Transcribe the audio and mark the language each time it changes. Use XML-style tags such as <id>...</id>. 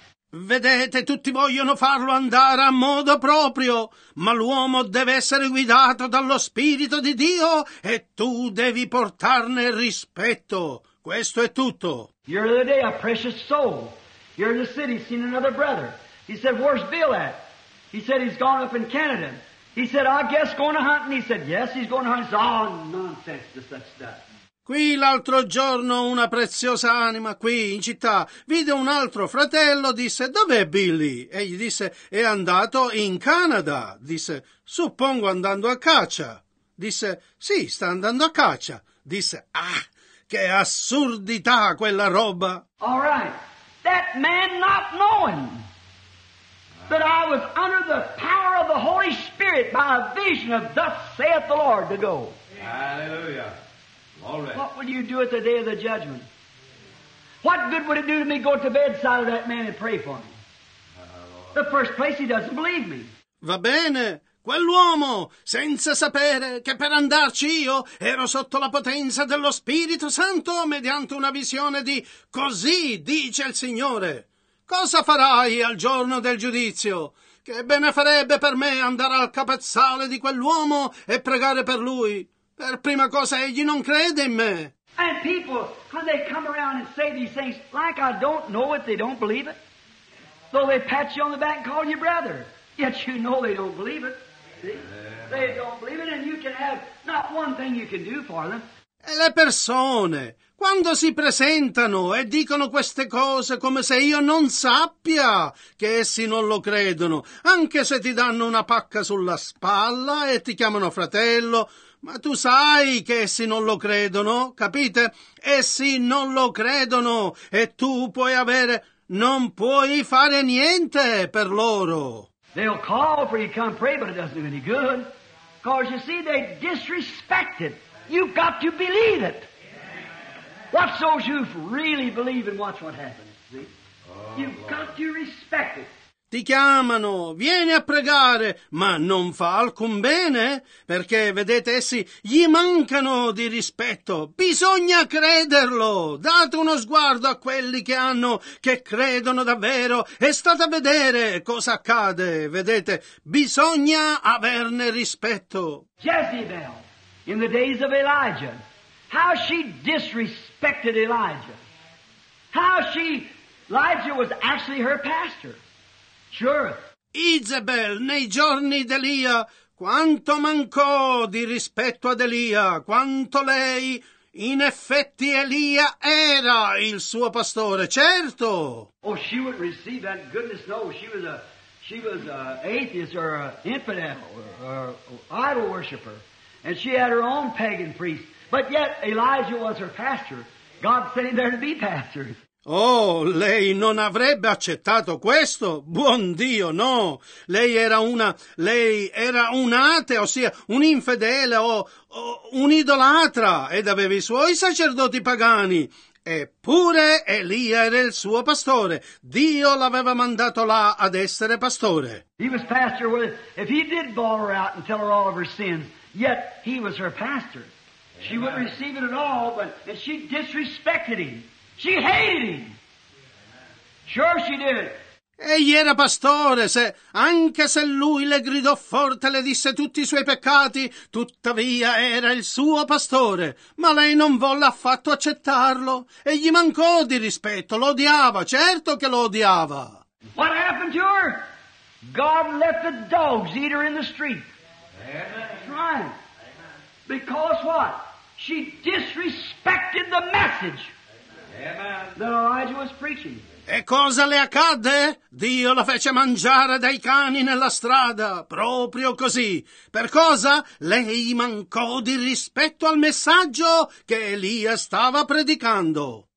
<it>Vedete, tutti vogliono farlo andare a modo proprio, ma l'uomo deve essere guidato dallo Spirito di Dio e tu devi portarne rispetto. Questo è tutto.</it> <en>You're the other day a precious soul. You're in the city, seen another brother. He said, where's Bill at? He said, he's gone up in Canada. He said, I guess going to hunt. And he said, yes, he's going to hunt. He said, oh, nonsense to such stuff.</en> <it>Qui l'altro giorno una preziosa anima, qui in città, vide un altro fratello, disse, dov'è Billy? E gli disse, è andato in Canada. Disse, suppongo andando a caccia. Disse, sì, sta andando a caccia. Disse, ah, che assurdità quella roba.</it> <en>All right, that man not knowing that I was under the power of the Holy Spirit by a vision of thus saith the Lord to go. Hallelujah. All right. What would you do at the day of the judgment? What good would it do to me go to the bedside of that man and pray for him? The first place he doesn't believe me.</en> <it>Va bene. Quell'uomo, senza sapere che per andarci io ero sotto la potenza dello Spirito Santo mediante una visione di così dice il Signore. Cosa farai al giorno del giudizio? Che bene farebbe per me andare al capezzale di quell'uomo e pregare per lui? Per prima cosa egli non crede in me.</it> <en>And people, how they come around and say these things, like I don't know it, they don't believe it. So they pat you on the back and call you brother. Yet you know they don't believe it. See? They don't believe it, and you can have not one thing you can do for them.</en> <it>E le persone, quando si presentano e dicono queste cose come se io non sappia che essi non lo credono, anche se ti danno una pacca sulla spalla e ti chiamano fratello, ma tu sai che essi non lo credono, capite? Essi non lo credono e tu puoi avere, non puoi fare niente per loro.</it> <en>They'll call for you to come pray, but it doesn't do any good. Because you see, they disrespect it. You've got to believe it. What shows you really believe and watch what happens, see? You've got to respect it.</en> <it>Ti chiamano, vieni a pregare, ma non fa alcun bene, perché, vedete, essi gli mancano di rispetto. Bisogna crederlo. Date uno sguardo a quelli che hanno, che credono davvero, e state a vedere cosa accade, vedete. Bisogna averne rispetto.</it> <en>Jezebel, in the days of Elijah, how she disrespected Elijah. How she, Elijah was actually her pastor. Sure.</en> <it>Izebel, nei giorni d'Elia, quanto mancò di rispetto ad Elia, quanto lei, in effetti Elia era il suo pastore, certo!</it> <en>Oh, she would receive that, goodness no, she was a atheist or an infidel or idol worshiper, and she had her own pagan priest, but yet Elijah was her pastor, God sent him there to be pastor.</en> <it>Oh, lei non avrebbe accettato questo? Buon Dio, no! Lei era un ateo, ossia un infedele o un idolatra, ed aveva i suoi sacerdoti pagani. Eppure Elia era il suo pastore. Dio l'aveva mandato là ad essere pastore.</it> <en>He was pastor with, if he did bawl her out and tell her all of her sins, yet he was her pastor. She wouldn't receive it at all, but and she disrespected him. She hated him. Sure she did.</en> <it>Egli era pastore, se anche se lui le gridò forte, le disse tutti i suoi peccati, tuttavia era il suo pastore. Ma lei non volle affatto accettarlo. E gli mancò di rispetto, lo odiava, certo che lo odiava.</it> <en>What happened to her? God let the dogs eat her in the street. Amen. That's right. Because what? She disrespected the message. Amen. That Elijah was preaching.</en> <it>E cosa le accadde? Dio la fece mangiare dai cani nella strada, proprio così. Per cosa? Lei mancò di rispetto al messaggio che Elia stava predicando.</it>